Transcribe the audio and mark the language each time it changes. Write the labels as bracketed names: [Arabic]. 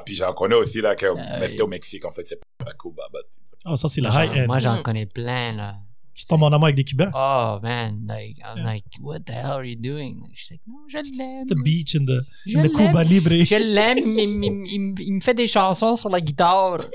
[French] Puis j'en connais aussi là, mais c'était au Mexique en fait. C'est pas à Cuba, but. Oh, ça c'est la high end. Moi, j'en connais plein là. Qui tombe en amour avec des Cubains. [English] Oh man, like I'm like, what the hell are you doing? She's like, no, [French] je l'aime. [English] It's the beach and the Cuba Libre. [French] Je l'aime, il me fait des chansons sur la guitare.